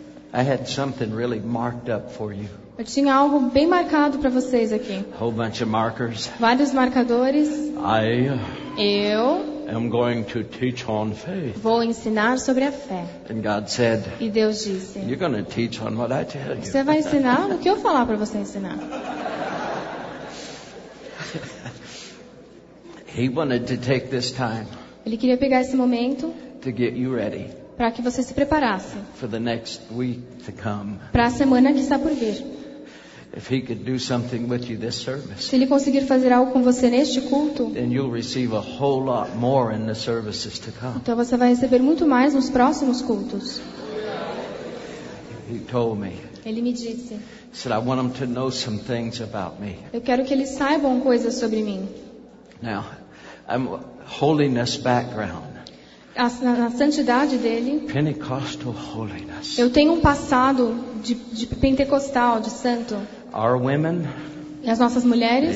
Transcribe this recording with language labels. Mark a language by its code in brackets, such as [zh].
[en] I had something really marked up for you. [pt] Eu tinha algo bem marcado para vocês aqui. [en] Whole bunch of markers. [pt] Vários marcadores. Eu... [en] I'm going to teach on faith. [pt] Vou ensinar sobre a fé. [en] And God said, [pt] e Deus disse, [en] you're going to teach on what I tell you. [pt] Você vai ensinar o que eu falar para você ensinar. [en] He wanted to take this time. [pt] Ele queria pegar esse momento. [en] To get you ready. [pt] Para que você se preparasse. [en] For the next week to come. [pt] Para a semana que está por vir. [en] if he could do something with you this service, [pt] se ele conseguir fazer algo com você neste culto, [en] then you'll receive a whole lot more in the services to come. [pt] Então você vai receber muito mais nos próximos cultos. [en] He told me. [pt] Ele me disse. [en] Said I want them to know some things about me. [pt] Eu quero que eles saibam coisas sobre mim. [en] Now, I'm holiness background. [pt] Na santidade dele. [en] Pentecostal holiness. [pt] Eu tenho um passado de pentecostal, de santo. [en] Our women. [pt] E as nossas mulheres.